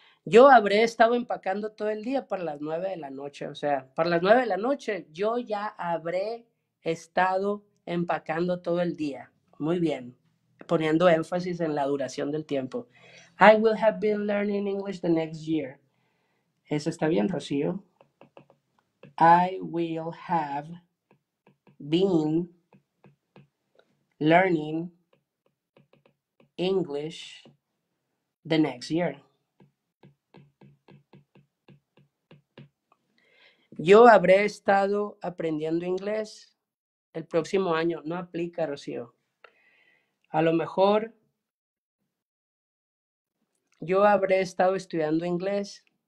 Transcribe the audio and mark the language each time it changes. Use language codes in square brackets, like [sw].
[es] Yo habré estado empacando todo el día para las 9 de la noche. O sea, para las 9 de la noche, yo ya habré estado empacando todo el día. Muy bien. Poniendo énfasis en la duración del tiempo. [en] I will have been learning English the next year. [es] Eso está bien, Rocío. [en] I will have been learning English the next year. [es] Yo habré estado aprendiendo inglés el próximo año. No aplica, Rocío. A lo mejor yo habré estado estudiando inglés.